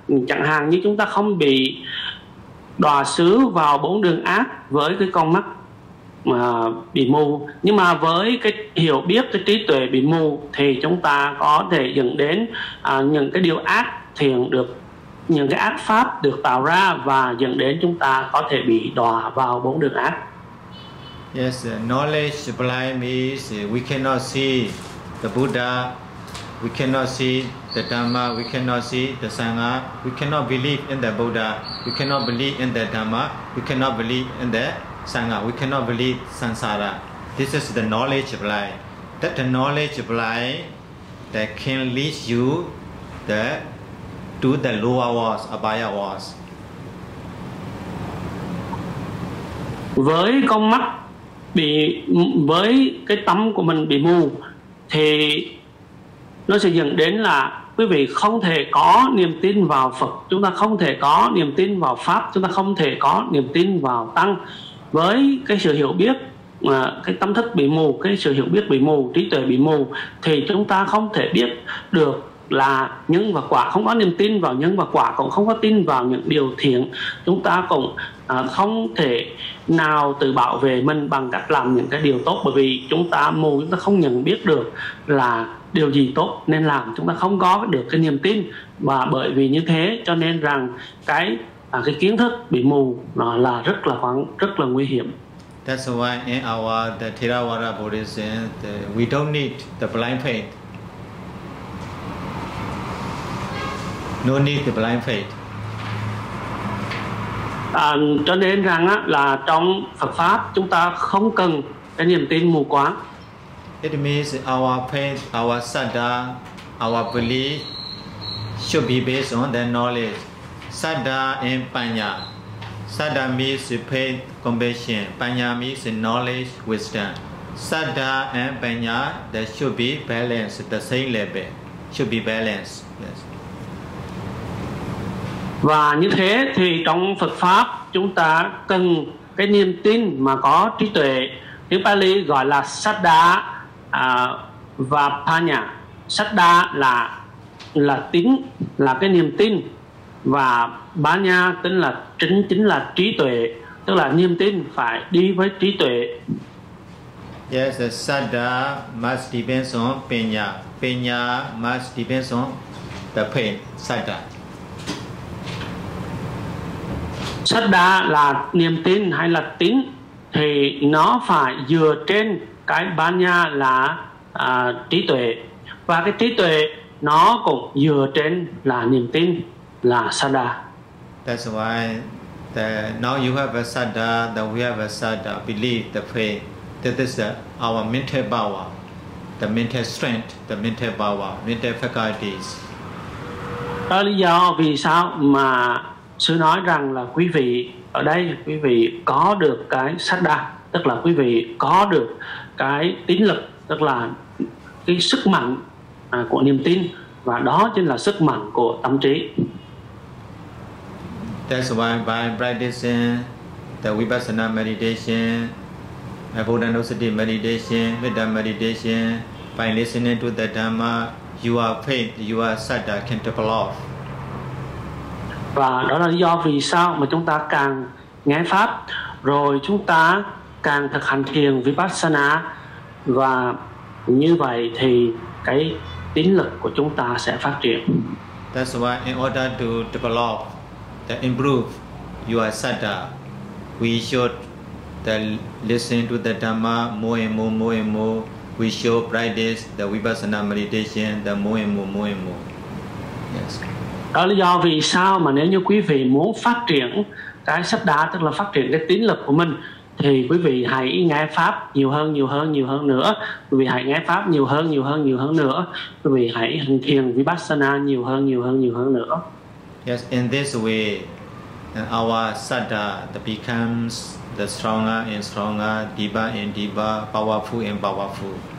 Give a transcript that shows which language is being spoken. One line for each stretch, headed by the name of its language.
Vietnamese: Chẳng hạn như chúng ta không bị đọa xứ vào bốn đường ác với cái con mắt mà bị mù. Nhưng mà với cái hiểu biết, cái trí tuệ bị mù, thì chúng ta có thể dẫn đến những cái điều ác thiện được, những cái ác pháp được tạo ra, và dẫn đến chúng ta có thể bị đọa vào bốn đường ác.
English: Yes, knowledge blind means we cannot see the Buddha, we cannot see the Dhamma, we cannot see the Sangha, we cannot believe in the Buddha, we cannot believe in the Dhamma, we cannot believe in the Sangha, we cannot believe Sansara. This is the knowledge blind. That the knowledge blind that can lead you to the lower worlds, Abaya worlds.
Vietnamese: Với con mắt bị, với cái tâm của mình bị mù, thì nó sẽ dẫn đến là quý vị không thể có niềm tin vào Phật, chúng ta không thể có niềm tin vào Pháp, chúng ta không thể có niềm tin vào Tăng. Với cái sự hiểu biết, cái tâm thức bị mù, cái sự hiểu biết bị mù, trí tuệ bị mù, thì chúng ta không thể biết được là nhân và quả, không có niềm tin vào nhân và quả, cũng không có tin vào những điều thiện. Chúng ta cũng không thể nào tự bảo vệ mình bằng cách làm những cái điều tốt, bởi vì chúng ta mù, chúng ta không nhận biết được là điều gì tốt nên làm, chúng ta không có được cái niềm tin. Và bởi vì như thế cho nên rằng cái kiến thức bị mù nó là rất là nguy hiểm.
English: That's why in our the Theravada Buddhism, we don't need the blind faith. No need the blind faith.
Vietnamese: Cho nên rằng là trong Phật pháp chúng ta không cần cái niềm tin mù quáng.
English: It means our faith, our saddha, our belief should be based on the knowledge. Saddha and panya. Saddha means faith, compassion. Panya means knowledge, wisdom. Saddha and panya, they should be balanced, the same level. Should be balanced. Yes.
Vietnamese: Và như thế thì trong Phật pháp chúng ta cần cái niềm tin mà có trí tuệ, tiếng Pali gọi là Saddha và Panya. Saddha là tính, là cái niềm tin, và Panya tính là chính là trí tuệ, tức là niềm tin phải đi với trí tuệ.
English: Yes, Saddha must depend on Panya. Panya must depend on the pain, Saddha.
Vietnamese: Saddha là niềm tin hay là tín, thì nó phải dựa trên cái Panya là trí tuệ, và cái trí tuệ nó cũng dựa trên là niềm tin, là Saddha.
English: That's why now you have a Saddha, that we have a Saddha, believe the faith. That is our mental power, the mental strength, the mental power, mental faculties.
Vietnamese: Đó là lý do vì sao mà Sư nói rằng là quý vị ở đây, quý vị có được cái Saddha, tức là quý vị có được cái tín lực, tức là cái sức mạnh của niềm tin, và đó chính là sức mạnh của tâm trí.
English: That's why by practicing the Vipassana meditation, Bodhanusati meditation, Vedā meditation, by listening to the Dhamma, your faith, your Saddha can develop.
Vietnamese: Và đó là lý do vì sao mà chúng ta càng nghe pháp, rồi chúng ta càng thực hành thiền Vipassana, và như vậy thì cái tín lực của chúng ta sẽ phát triển.
English: That's why in order to develop, to improve your saddha, we should listen to the Dhamma more and more, more and more. We should practice the Vipassana meditation, the more and more, more and more. Yes.
Vietnamese: Đó là do vì sao mà nếu như quý vị muốn phát triển cái saddha, tức là phát triển cái tín lực của mình, thì quý vị hãy nghe pháp nhiều hơn nữa. Quý vị hãy nghe pháp nhiều hơn nữa. Quý vị hãy hành thiền vipassana nhiều hơn nữa.
English: Yes, in this way our sadha becomes the stronger and stronger, deeper and deeper, powerful and powerful.